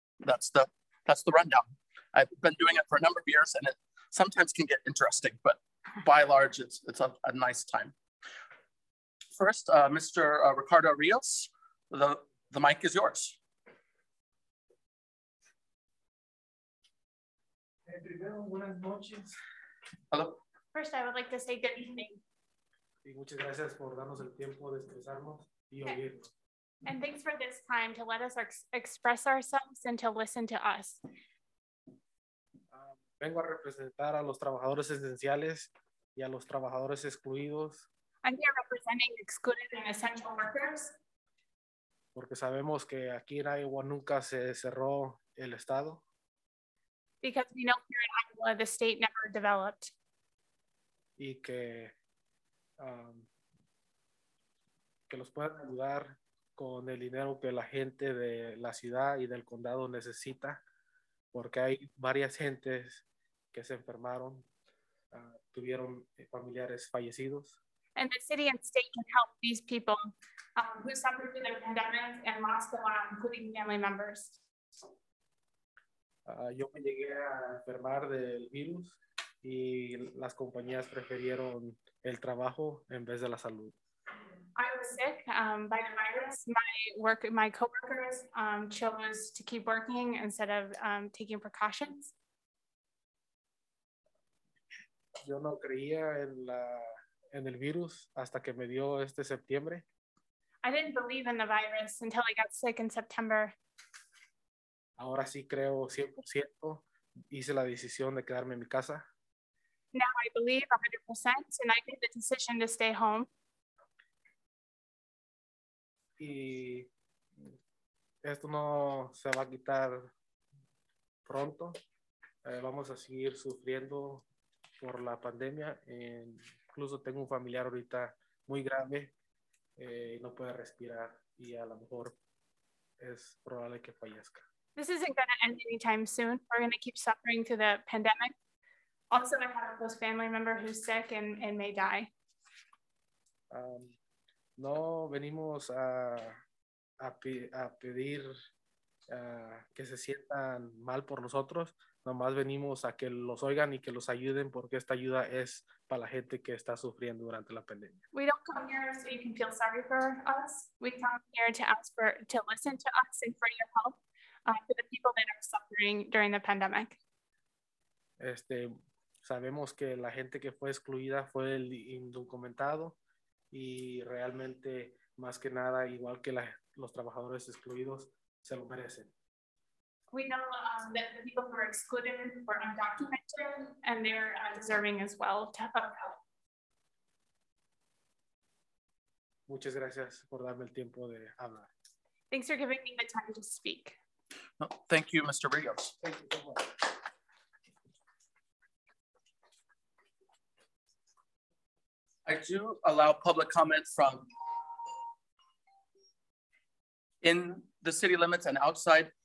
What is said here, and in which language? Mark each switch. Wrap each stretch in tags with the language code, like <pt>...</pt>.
<en>That's the rundown. I've been doing it for a number of years and it sometimes can get interesting, but by and large, it's a nice time. First, Mr. Ricardo Rios, the mic is yours. Hey, hello. First, I would like to say good evening.</en> <es>Y muchas gracias por darnos el tiempo de expresarnos y oírnos.</es> <en>And thanks for this time to let us express ourselves and to listen to us.</en> <es>Vengo a representar a los trabajadores esenciales y a los trabajadores excluidos.</es> <en>I'm here representing excluded and essential workers.</en> <es>Porque sabemos que aquí en Iowa nunca se cerró el estado.</es> <en>Because we know here in Iowa the state never developed.</en> <es>Y que que los puedan ayudar con el dinero que la gente de la ciudad y del condado necesita, porque hay varias gentes que se enfermaron, tuvieron familiares fallecidos.</es> <en>And the city and state can help these people who suffered through the pandemic and lost a lot, including family members.</en> <es>Yo me llegué a enfermar del virus y las compañías preferieron el trabajo en vez de la salud.</es> <en>I was sick by the virus. My coworkers chose to keep working instead of taking precautions.</en> <es>Yo no creía en el virus hasta que me dio este septiembre.</es> <en>I didn't believe in the virus until I got sick in September.</en> <es>Ahora sí creo 100%. Hice la decisión de quedarme en mi casa.</es> <en>Now I believe 100% and I made the decision to stay home.</en> <es>Y esto no se va a quitar pronto. Vamos a seguir sufriendo por la pandemia. Incluso tengo un familiar ahorita muy grave y no puede respirar y a lo mejor es probable que fallezca.</es> <en>This isn't going to end anytime soon. We're going to keep suffering through the pandemic. Also, I have a close family member who's sick and may die.</en> <es>No venimos a pedir que se sientan mal por nosotros. Nomás venimos a que los oigan y que los ayuden porque esta ayuda es para la gente que está sufriendo durante la pandemia.</es> <en>We don't come here so you can feel sorry for us. We come here to ask for, to listen to us and for your help for the people that are suffering during the pandemic.</en> <es>Sabemos que la gente que fue excluida fue el indocumentado y realmente más que nada, igual que los trabajadores excluidos, se lo merecen.</es> <en>We know that the people who are excluded were undocumented and they're deserving as well to have help.</en> <es>Muchas gracias por darme el tiempo de hablar.</es> <en>Thanks for giving me the time to speak. No, thank you, Mr. Rios. Thank you so much. I do allow public comment from in the city limits and outside.</en>